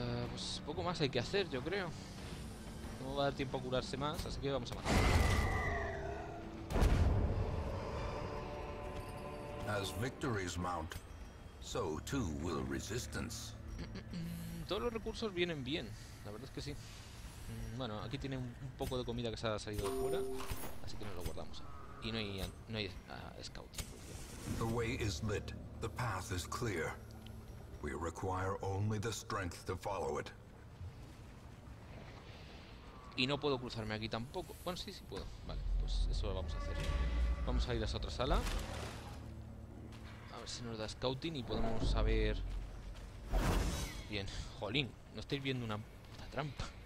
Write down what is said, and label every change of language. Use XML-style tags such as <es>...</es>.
<es>Pues poco más hay que hacer, yo creo. No va a dar tiempo a curarse más, así que vamos a matar.</es> <en>As victories mount, so too will resistance.</en> <es>Todos los recursos vienen bien, la verdad es que sí. Bueno, aquí tiene un poco de comida que se ha salido de fuera, así que nos lo guardamos. Y no hay scouting.</es> <en>The way is lit, the path is clear. We require only the strength to follow it.</en> <es>Y no puedo cruzarme aquí tampoco. Bueno, sí, sí puedo. Vale, pues eso lo vamos a hacer. Vamos a ir a esa otra sala. A ver si nos da scouting y podemos saber. Bien, jolín, no estáis viendo una puta trampa.</es>